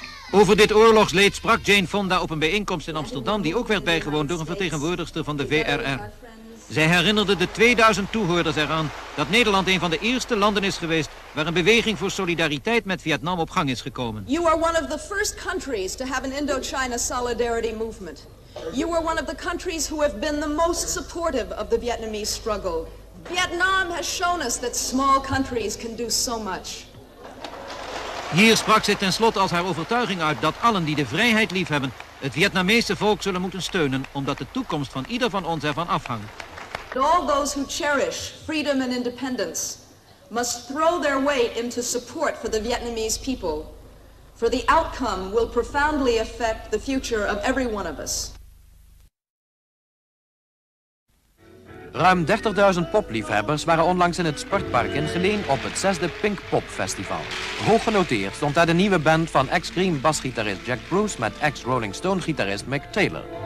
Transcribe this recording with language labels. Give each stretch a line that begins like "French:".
Dutch: Over dit oorlogsleed sprak Jane Fonda op een bijeenkomst in Amsterdam, die ook werd bijgewoond door een vertegenwoordigster van de VRR. Zij herinnerde de 2000 toehoorders eraan dat Nederland een van de eerste landen is geweest waar een beweging voor solidariteit met Vietnam op gang is gekomen.
English: You are one of the first countries to have an Indochina solidarity movement. You are one of the countries who have been the most supportive of the Vietnamese struggle. Vietnam has shown us that small countries can do so much.
Dutch: Hier sprak ze tenslotte als haar overtuiging uit dat allen die de vrijheid liefhebben het Vietnamese volk zullen moeten steunen, omdat de toekomst van ieder van ons ervan afhangt.
English: All those who cherish freedom and independence must throw their weight into support for the Vietnamese people. For the outcome will profoundly affect the future of every one of us.
Dutch: Ruim 30.000 popliefhebbers waren onlangs in het Sportpark in Geleen op het 6e Pink Pop Festival. Hoog genoteerd stond daar de nieuwe band van ex-Cream basgitarist Jack Bruce met ex-Rolling Stone gitarist Mick Taylor.